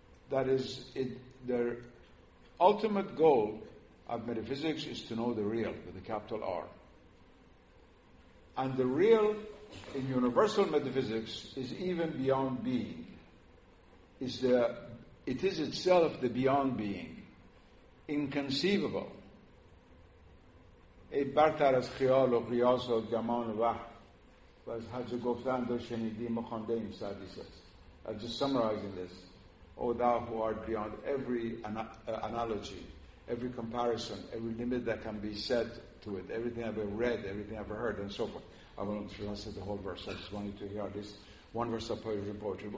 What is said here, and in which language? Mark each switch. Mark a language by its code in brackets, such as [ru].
[en] That is, their ultimate goal of metaphysics is to know the real, with a capital R. And the real in universal metaphysics is even beyond being. It is itself the beyond being. Inconceivable. [fa] ای برتر از خیال و قیاس و گمان و وهم و از هر چه گفتن در شنیدیم و خواندیم سعدی است. [en] I'm just summarizing this. O thou who art beyond every analogy, every comparison, every limit that can be set to it, everything I've ever read, everything I've ever heard, and so forth. I won't translate the whole verse. I just want you to hear this one verse of poetry.